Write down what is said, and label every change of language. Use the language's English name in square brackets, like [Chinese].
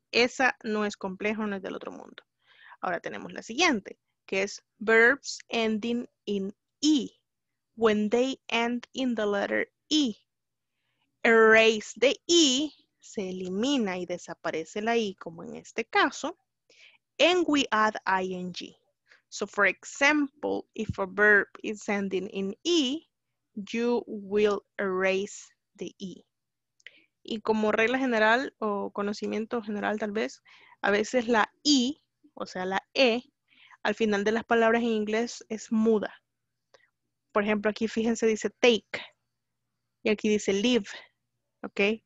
[Spanish] Esa no es complejo, no es del otro mundo. Ahora tenemos la siguiente, que es verbs ending in e. [English] When they end in the letter e. Erase the e. [Spanish] Se elimina y desaparece la I, como en este caso. [English] And we add ing. So, for example, if a verb is ending in E, you will erase the E. [Spanish] Y como regla general o conocimiento general, tal vez, a veces la I, o sea, la E, al final de las palabras en inglés es muda. Por ejemplo, aquí fíjense, dice take. Y aquí dice leave. ¿Ok?